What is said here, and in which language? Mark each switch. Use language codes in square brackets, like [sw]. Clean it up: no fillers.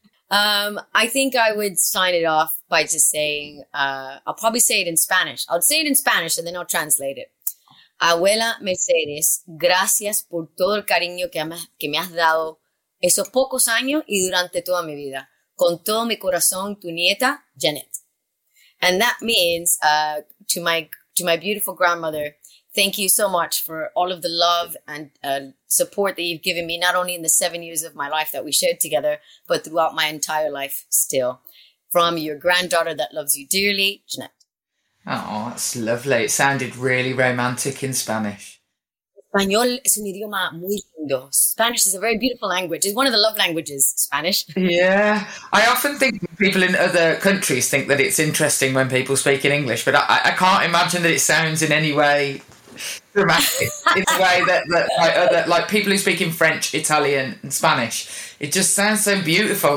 [en] I think I would sign it off by just saying, I'll probably say it in Spanish. I'll say it in Spanish and then I'll translate it. [es] Abuela Mercedes, gracias por todo el cariño que me has dado esos pocos años y durante toda mi vida. Con todo mi corazón, tu nieta, Janet. [en] And that means, to my beautiful grandmother, thank you so much for all of the love and support that you've given me, not only in the 7 years of my life that we shared together, but throughout my entire life still. From your granddaughter that loves you dearly, Janet. Oh, that's lovely. It sounded really romantic in Spanish. [es] Español es un idioma muy lindo. [en] Spanish is a very beautiful language. It's one of the love languages, Spanish. Yeah. I often think people in other countries think that it's interesting when people speak in English, but I can't imagine that it sounds in any way dramatic. In a way that people who speak in French, Italian and Spanish, it just sounds so beautiful.